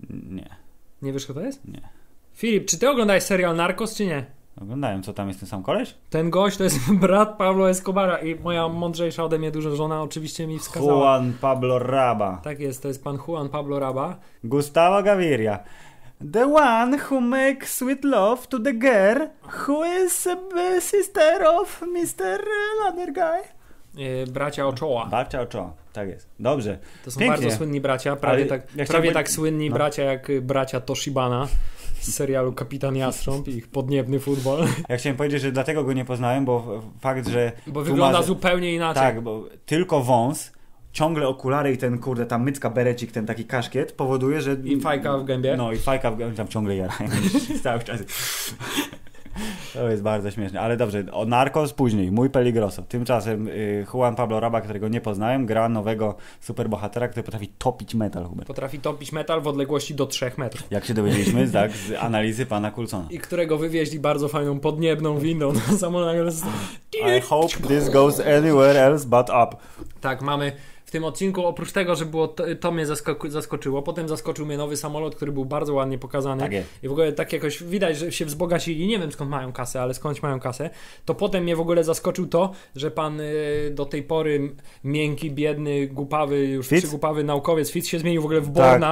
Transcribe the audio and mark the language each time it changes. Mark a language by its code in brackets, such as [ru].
[pl] Nie. Nie wiesz, kto to jest? Nie. Filip, czy ty oglądasz serial Narcos, czy nie? Oglądałem, co tam jest ten sam koleś? Ten gość to jest brat Pablo Escobara i moja mądrzejsza ode mnie duża żona oczywiście mi wskazała. Juan Pablo Raba. Tak jest, to jest pan Juan Pablo Raba. Gustavo Gaviria. [en] The one who makes sweet love to the girl who is the sister of Mr. Ladder Guy. [pl] Bracia Ochoa. Bracia Ochoa, tak jest. Dobrze. To są pięknie. Bardzo słynni bracia, prawie tak słynni bracia jak bracia Toshibana. Z serialu Kapitan Jastrząb i ich podniebny futbol. Ja chciałem powiedzieć, że dlatego go nie poznałem, bo fakt, że... Bo wygląda zupełnie inaczej. Tak, bo tylko wąs, ciągle okulary i ten, kurde, ta mycka, berecik, ten taki kaszkiet powoduje, że... I fajka w gębie. No i fajka w gębie, tam ciągle jarają. Cały czas. To jest bardzo śmieszne, ale dobrze. O Narcos później, mój peligroso. Tymczasem Juan Pablo Raba, którego nie poznałem, gra nowego superbohatera, który potrafi topić metal, Hubert. Potrafi topić metal w odległości do 3 metrów. Jak się dowiedzieliśmy, tak, z analizy pana Coulsona. I którego wywieźli bardzo fajną podniebną windą na samolot. [en] I hope this goes anywhere else but up. [pl] Tak, mamy w tym odcinku, oprócz tego, że było to mnie zaskoczyło, potem zaskoczył mnie nowy samolot, który był bardzo ładnie pokazany. Tak jest. I w ogóle tak jakoś widać, że się wzbogacili, nie wiem skąd mają kasę, ale skądś mają kasę. To potem mnie w ogóle zaskoczył to, że pan do tej pory miękki, biedny, głupawy, już przygłupawy naukowiec Fitz się zmienił w ogóle w Borna,